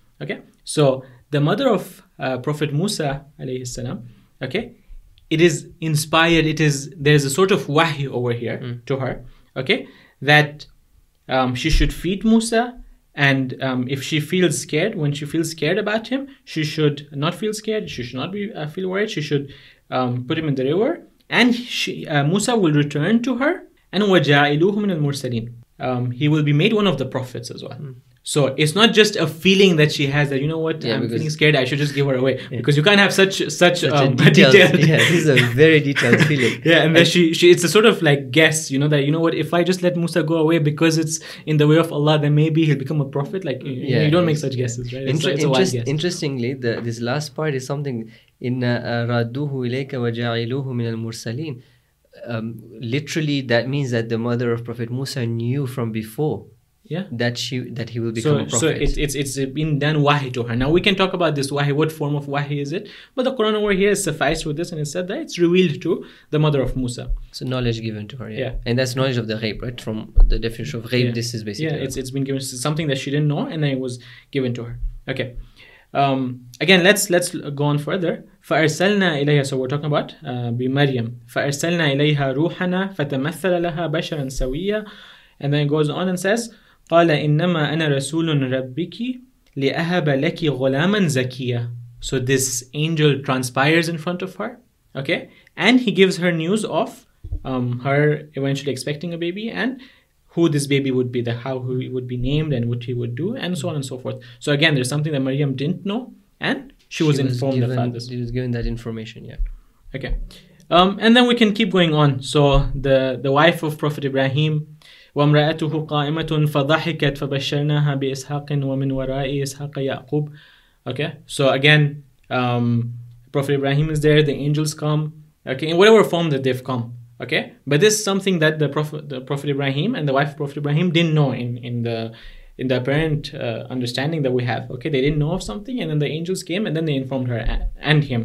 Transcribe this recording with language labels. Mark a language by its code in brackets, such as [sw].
[en] Okay, so the mother of Prophet Musa [ar] عليه السلام, [en] okay, it is inspired, there's a sort of wahy over here to her, okay, that she should feed Musa. And if she feels scared, when she feels scared about him, she should not feel scared. She should not feel worried. She should put him in the river. And Musa will return to her. And [ar] وَجَعِلُوهُ مِنَ الْمُرْسَلِينَ. [en] He will be made one of the prophets as well. So it's not just a feeling that she has that, you know what, I'm feeling scared, I should just give her away. Yeah. Because you can't have such a detailed... Yeah, this is a very detailed feeling. Yeah, and that she it's a sort of like guess, you know, that, you know what, if I just let Musa go away because it's in the way of Allah, then maybe he'll become a prophet. Like, you don't make such guesses, right? It's a wild guess. Interestingly, this last part is something, in [ar] رَدُّهُ إِلَيْكَ وَجَعِلُوهُ مِنَ الْمُرْسَلِينَ. [en] Literally, that means that the mother of Prophet Musa knew from before. Yeah, that he will become a prophet. So it's been done wahi to her. Now we can talk about this wahi. What form of wahi is it? But the Quran over here is sufficed with this, and it said that it's revealed to the mother of Musa. So knowledge given to her. Yeah. And that's knowledge of the ghaib, right? From the definition of ghaib, this is basically. Yeah, it's been given something that she didn't know, and then it was given to her. Okay. Again, let's go on further. [ar] فَأَرْسَلْنَا إِلَيْهَا. [en] So we're talking about بِمَرْيَمَ. [ar] فَأَرْسَلْنَا إِلَيْهَا رُوحَنَا فَتَمَثَّلَ لَهَا بَشَرًا سَوِيًّا. [en] And then it goes on and says, [ar] قَالَ إِنَّمَا أَنَا رَسُولٌ رَبِّكِ لِأَهَبَ لَكِ غُلَامًا زَكِيًّا. [en] So this angel transpires in front of her, okay? And he gives her news of her eventually expecting a baby and who this baby would be, how he would be named and what he would do and so on and so forth. So again, there's something that Maryam didn't know and she was given that information, yeah. Okay. And then we can keep going on. So the wife of Prophet Ibrahim, [ar] وامرأته قائمة فضحكت فبشرناها بإسحاق ومن وراء إسحاق يعقوب. [en] Okay, so again, Prophet Ibrahim is there, the angels come, okay, in whatever form that they've come, okay, but this is something that the Prophet Ibrahim and the wife of Prophet Ibrahim didn't know in the in the apparent understanding that we have, okay, they didn't know of something, and then the angels came and then they informed her and him.